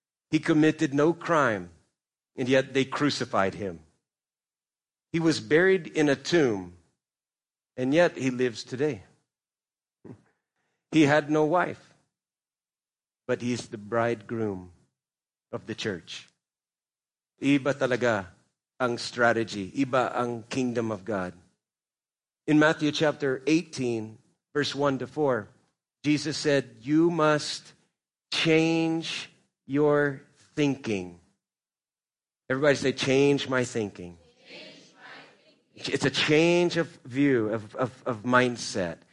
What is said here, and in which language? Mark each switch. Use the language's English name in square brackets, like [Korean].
[English] He committed no crime, and yet they crucified him. He was buried in a tomb, and yet he lives today. He had no wife, but he is the bridegroom of the church. [Filipino] Iba talaga ang strategy. Iba ang kingdom of God. [English] In Matthew chapter 18, verse 1 to 4, Jesus said, you must change your thinking. Everybody say, change my thinking. Change my thinking. It's a change of view, of mindset.